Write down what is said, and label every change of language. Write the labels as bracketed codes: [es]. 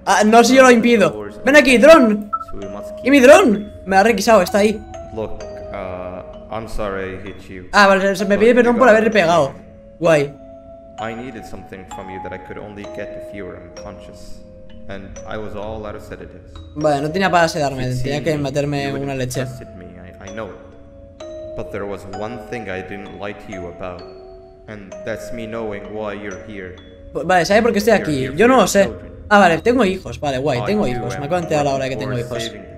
[es] Ah, no, si yo lo impido. ¡Ven aquí, dron! ¡Y mi dron! Me ha requisado, está ahí. [en] Look, I'm sorry I hit you. [es] Ah, vale, se me pide perdón por haberle pegado. Guay. [en] I needed something from you that I could only get if you were unconscious. And I was all out of sedatives. [es] Vale, no tenía para sedarme, tenía que meterme una leche. [en] I know it. But there was one thing I didn't lie to you about. And that's me knowing why you're here. [es] Vale, ¿sabes por qué estoy aquí? Yo no lo sé. Ah, vale, tengo hijos. Vale, guay, tengo hijos. Me acabo de enterar ahora que tengo hijos.